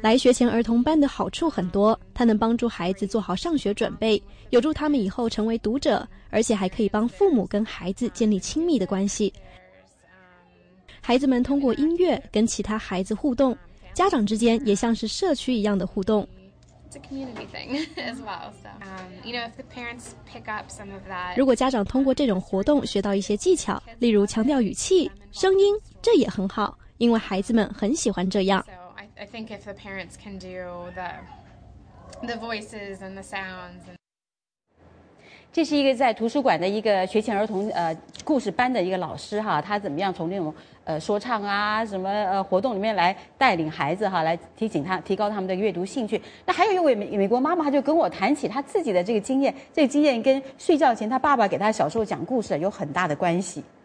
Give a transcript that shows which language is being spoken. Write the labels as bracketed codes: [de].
[zh] 来学前儿童班的好处很多，它能帮助孩子做好上学准备，有助他们以后成为读者，而且还可以帮父母跟孩子建立亲密的关系。孩子们通过音乐跟其他孩子互动，家长之间也像是社区一样的互动。 [en] It's a community thing as well. If the parents pick up some of that, [zh] 如果家长通过这种活动学到一些技巧，例如强调语气、声音，这也很好，因为孩子们很喜欢这样。 [en] So I think if the parents can do the voices and the sounds. [zh] 这是一个在图书馆的一个学前儿童故事班的一个老师哈，他怎么样从那种说唱啊什么活动里面来带领孩子哈，来提高他们的阅读兴趣。那还有一位美国妈妈，她就跟我谈起她自己的这个经验，这个经验跟睡觉前她爸爸给她小时候讲故事有很大的关系。